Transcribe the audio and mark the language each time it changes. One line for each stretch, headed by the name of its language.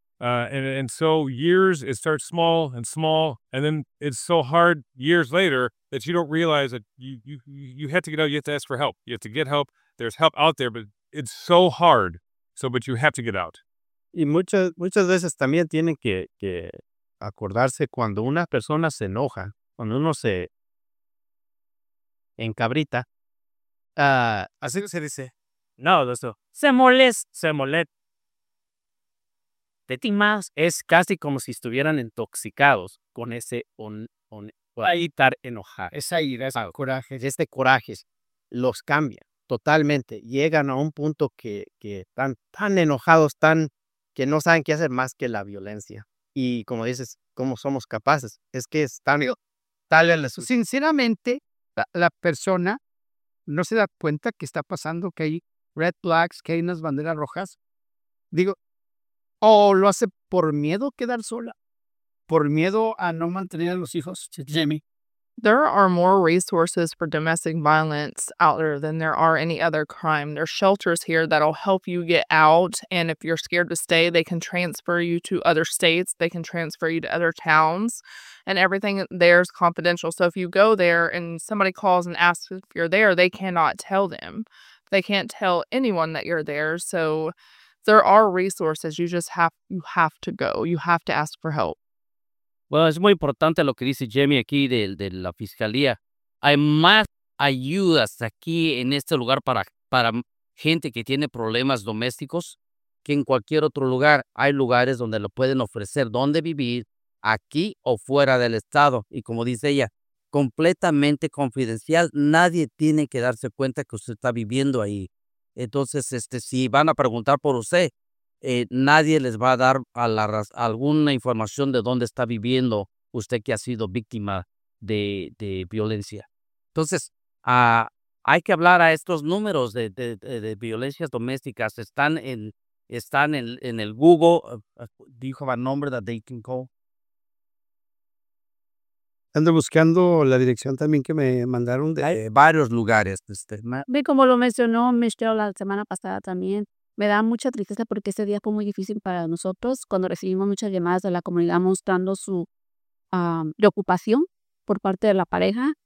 English: And so years, it starts small and small, and then it's so hard years later that you don't realize that you have to get out, you have to ask for help. You have to get help. There's help out there, but it's so hard, but you have to get out.
Spanish: Y muchas veces también tienen que acordarse cuando una persona se enoja, cuando uno se encabrita. ¿Así se dice? No, eso. Se molesta. De ti más. Es casi como si estuvieran intoxicados con ese estar enojado. Esa ira, ese coraje. Este coraje los cambia totalmente. Llegan a un punto que están tan enojados, tan que no saben qué hacer más que la violencia. Y como dices, ¿cómo somos capaces? Es que es tan... tal vez sinceramente, la persona no se da cuenta que está pasando, que hay
English: red flags,
Spanish: que hay unas banderas rojas. Digo, o lo hace por miedo a quedar sola, por miedo a no mantener a los hijos. Jimmy.
English: There are more resources for domestic violence out there than there are any other crime. There are shelters here that'll help you get out. And if you're scared to stay, they can transfer you to other states. They can transfer you to other towns. And everything there is confidential. So if you go there and somebody calls and asks if you're there, they cannot tell them. They can't tell anyone that you're there. So there are resources. You have to go. You have to ask for help.
Spanish: Bueno, es muy importante lo que dice Jamie aquí de la fiscalía. Hay más ayudas aquí en este lugar para gente que tiene problemas domésticos que en cualquier otro lugar. Hay lugares donde lo pueden ofrecer dónde vivir, aquí o fuera del estado. Y como dice ella, completamente confidencial. Nadie tiene que darse cuenta que usted está viviendo ahí. Entonces, si van a preguntar por usted, nadie les va a dar alguna información de dónde está viviendo usted que ha sido víctima de violencia. Entonces, hay que hablar a estos números de violencias domésticas. Están en el Google.
English: Do you have a number that they can call?
Spanish: Ando buscando la dirección también que me mandaron de varios lugares. Como lo mencionó Michelle la semana pasada también, me da mucha tristeza porque ese día fue muy difícil para nosotros cuando recibimos muchas llamadas de la comunidad mostrando su preocupación por parte de la pareja.